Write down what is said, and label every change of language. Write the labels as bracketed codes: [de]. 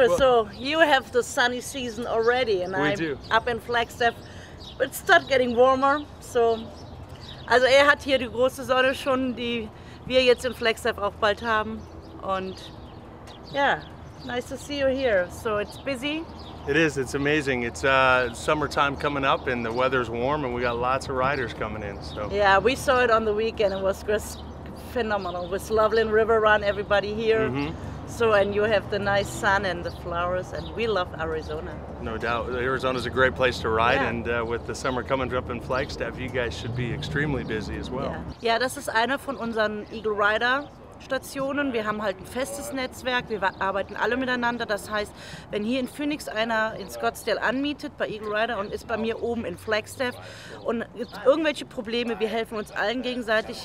[en] Well, so, you have the sunny season already and we I'm do. Up in Flagstaff. But it start getting warmer, so... [de] Also er hat hier die große Sonne schon, die wir jetzt in Flagstaff auch bald haben. Und ja. [en] Yeah. Nice to see you here. So it's busy? It is. It's amazing. It's summertime coming up and the weather's warm and we got lots of riders coming in. So yeah, we saw it on the weekend. It was just phenomenal. With Loveland River Run, everybody here. Mm-hmm. So, and you have the nice sun and the flowers and we love Arizona. No doubt. Arizona's a great place to ride and with the summer coming up in Flagstaff, you guys should be extremely busy as well. [de] Yeah, das ist einer von unseren Eagle Rider. Stationen. Wir haben halt ein festes Netzwerk, wir arbeiten alle miteinander. Das heißt, wenn hier in Phoenix einer in Scottsdale anmietet bei Eagle Rider und ist bei mir oben in Flagstaff und gibt irgendwelche Probleme, wir helfen uns allen gegenseitig.